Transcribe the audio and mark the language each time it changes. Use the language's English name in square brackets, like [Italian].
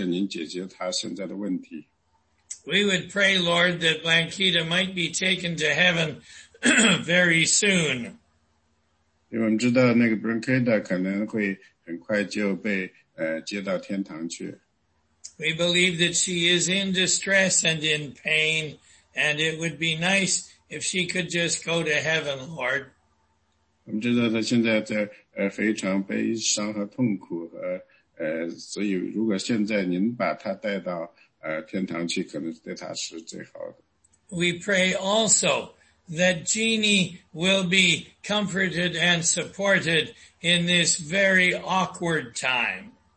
[Chinese] 我们为那个Blanquita祷告，我们知道您关心她，我们的祷告是您解决她现在的问题。 [English] We would pray, Lord, that Blanquita might be taken to heaven very soon. [Chinese] 因为我们知道那个Blanquita可能会很快就被接到天堂去。 [English] We believe that she is in distress and in pain, and it would be nice if she could just go to heaven, Lord. [Chinese] 我们知道她现在非常悲伤和痛苦，所以如果现在您把她带到天堂去，可能对她是最好的。 [English] We pray also that Jeannie will be comforted and supported in this very awkward time.